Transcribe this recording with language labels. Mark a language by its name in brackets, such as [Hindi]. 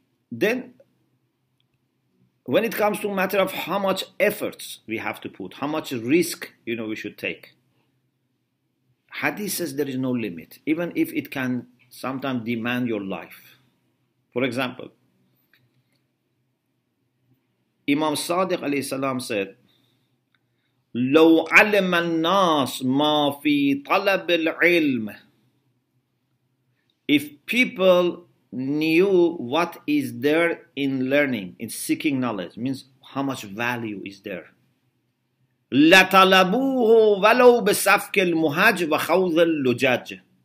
[English] Then, when it comes to a matter of how much efforts we have to put, how much risk, you know, we should take, hadith says there is no limit, even if it can sometimes demand your life. For example, Imam Sadiq alayhi salam said, [Arabic] لو علم الناس ما في طلب العلم. [English] If people knew what is there in learning, in seeking knowledge, means how much value is there. [Arabic] لَطَلَبُوهُ وَلَوْ بِسَفْكِ الْمُهَاجِ وَخَوْضِ الْلُجَاجِ.